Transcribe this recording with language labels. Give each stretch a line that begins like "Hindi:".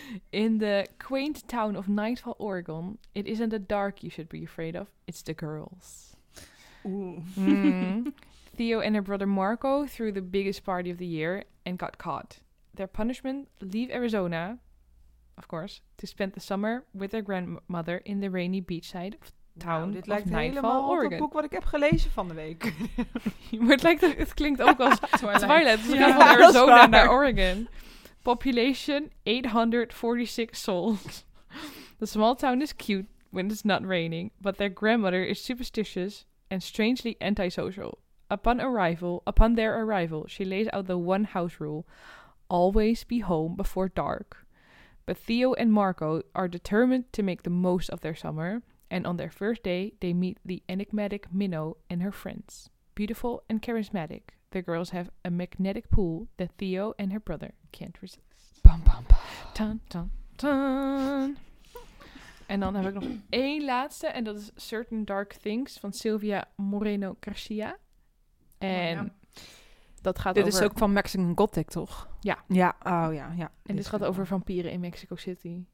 English: In the quaint town of Nightfall, Oregon, it isn't the dark you should be afraid of, it's the girls. Ooh. Theo and her brother Marco threw the biggest party of the year and got caught. Their punishment, leave Arizona, of course, to spend the summer with their grandmother in the rainy beachside of town.
Dutch: Nou, dit lijkt
English: of Nightfall,
Dutch: helemaal
English: Oregon.
Dutch: Op het boek wat ik heb gelezen van de week. Maar het klinkt ook als Twilight. Het is van Arizona naar Oregon.
English: Population 846 souls. The small town is cute when it's not raining, but their grandmother is superstitious and strangely antisocial. Upon their arrival, she lays out the one house rule: always be home before dark. But Theo and Marco are determined to make the most of their summer. And on their first day, they meet the enigmatic Minnow and her friends. Beautiful and charismatic, the girls have a magnetic pull that Theo and her brother can't resist. Bam, bam, bam. Tan, tan, tan.
Dutch: En dan heb ik nog één laatste. En dat is Certain Dark Things van Silvia Moreno Garcia. En dat gaat dit over... Dit is ook van Mexican Gothic, toch? Ja. Ja, oh ja, ja. En dit gaat over vampieren in Mexico City.